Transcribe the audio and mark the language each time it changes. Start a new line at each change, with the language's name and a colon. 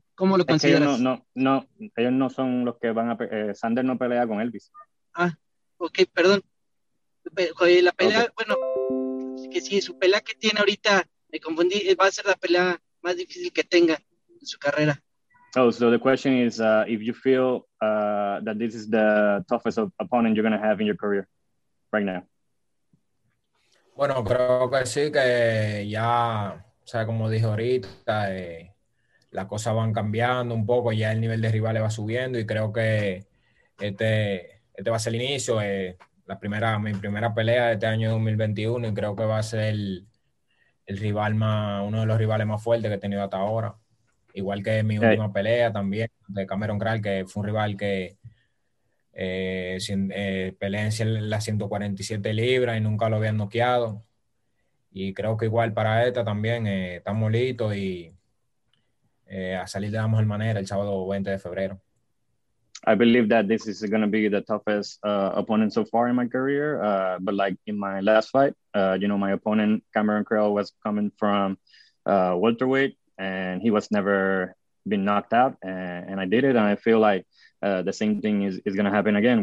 Spanish: ¿cómo lo consideras? No, ellos no son los que van a... Sander no pelea con Elvis. Ah, ok, perdón. La pelea, okay. Bueno, es que sí, su pelea que tiene ahorita, me confundí, va a ser la pelea más difícil que tenga en su carrera.
English: Oh, so the question is if you feel that this is the toughest opponent you're going to have in your career right now.
Spanish: Bueno, creo que sí, que ya, o sea, como dije ahorita, las cosas van cambiando un poco, ya el nivel de rivales va subiendo y creo que este va a ser el inicio, mi primera pelea de este año 2021 y creo que va a ser el rival más, uno de los rivales más fuertes que he tenido hasta ahora. Igual que mi última pelea también de Cameron Kral, que fue un rival que peleé en las 147 libras y nunca lo había noqueado. Y creo que igual para esta también está molito y a salir de la mejor manera el sábado 20 de febrero.
English: I believe that this is going to be the toughest opponent so far in my career. But like in my last fight, my opponent Cameron Kral was coming from welterweight. And he was never been knocked out, and I did it, and I feel like the same thing is going to happen again.